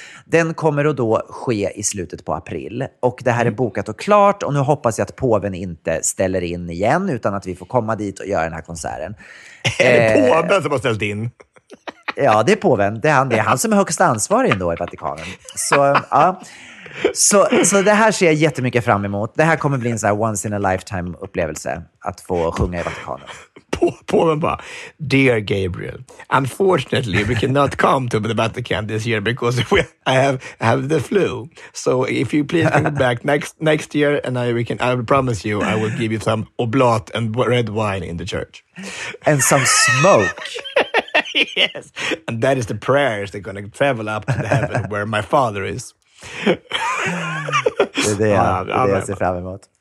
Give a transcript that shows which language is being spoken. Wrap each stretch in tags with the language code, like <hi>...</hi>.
<sv>Den kommer att då ske i slutet på april. Och det här är bokat och klart, och nu hoppas jag att påven inte ställer in igen, utan att vi får komma dit och göra den här konserten. Är det påven som har ställt in? Ja, det är påven. Det är han som är högst ansvarig ändå i Vatikanen. Så, ja. så det här ser jag jättemycket fram emot. Det här kommer bli en så här</sv> <en>once in a lifetime</en> <sv>upplevelse att få sjunga i Vatikanen. Påven bara,</sv> <en>dear Gabriel, unfortunately we cannot come to the Vatican this year because I have the flu. So if you please come back next year and I promise you I will give you some oblat and red wine in the church. And some smoke. Yes, and that is the prayers they're gonna travel up to the heaven where my father is.</en> <sv>Det är det jag ser fram emot.</sv>